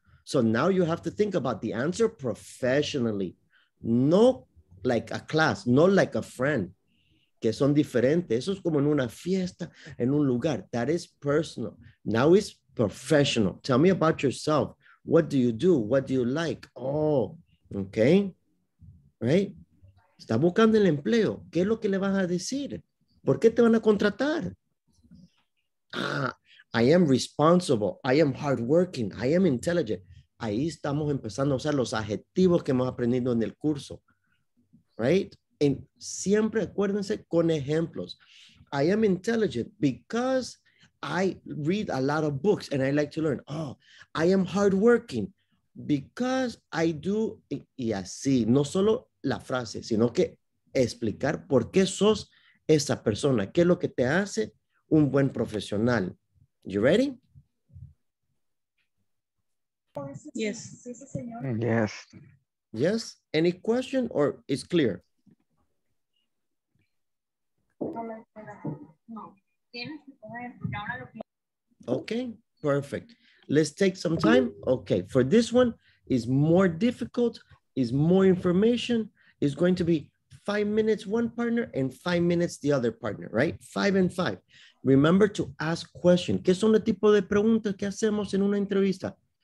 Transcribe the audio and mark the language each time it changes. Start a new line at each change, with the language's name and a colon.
English: So now you have to think about the answer professionally. No like a class, no like a friend.
Spanish: Que son diferentes. Eso es como en una fiesta, en un lugar.
English: That is personal. Now it's professional. Tell me about yourself. What do you do? What do you like? Oh, okay. Right?
Spanish: Está buscando el empleo. ¿Qué es lo que le vas a decir? ¿Por qué te van a contratar?
English: I am responsible. I am hardworking. I am intelligent.
Spanish: Ahí estamos empezando a usar los adjetivos que hemos aprendido en el curso.
English: Right? And
Spanish: siempre acuérdense con ejemplos.
English: I am intelligent because I read a lot of books and I like to learn. Oh, I am hardworking because I do.
Spanish: Y así, no solo la frase, sino que explicar por qué sos esa persona, qué es lo que te hace un buen profesional.
English: You ready? Yes. Yes. Yes. Any question or is clear? Okay, perfect. Let's take some time. Okay, for this one is more difficult, is more information. It's going to be 5 minutes one partner and 5 minutes the other partner, right? 5 and 5. Remember to ask questions.
Spanish: ¿Qué son los tipos de preguntas que hacemos en una entrevista?